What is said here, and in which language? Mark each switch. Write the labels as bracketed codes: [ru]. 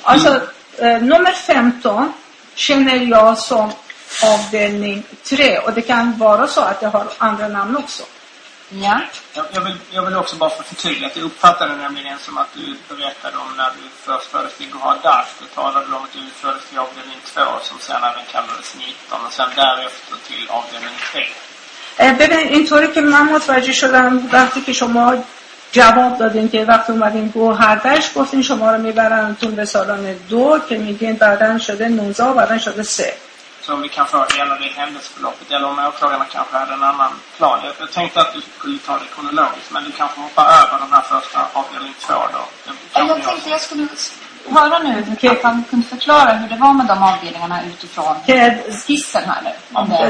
[sv] Alltså nummer 15 känner jag som avdelning 3 och det kan vara så att jag har andra namn också. Ja. Jag vill också bara förtydliga att jag uppfattade nämligen som att du berättade om när du först fördes till Gohardash. Du talade om att du fördes till avdelning 2 som sen även kallades 19 och sen därefter till avdelning 3. [fa] ببین اینطوری که من متوجه شدم وقتی که شما جواب دادین که وقتی اومدین گوهردش گفتین شما رو میبرن تون به سالان 2 که میگین بعدن شده 19 بعدن شده 3. [sv] Så om vi kan föra hela det händelseförloppet eller om åklagarna kanske hade en annan plan. Jag tänkte att du skulle ta det kronologiskt men du kanske hoppar över de här första avdelning 2 då. Jag tänkte att jag skulle höra nu hur okay. Han kunde förklara hur det var med de avdelningarna utifrån skissen här nu.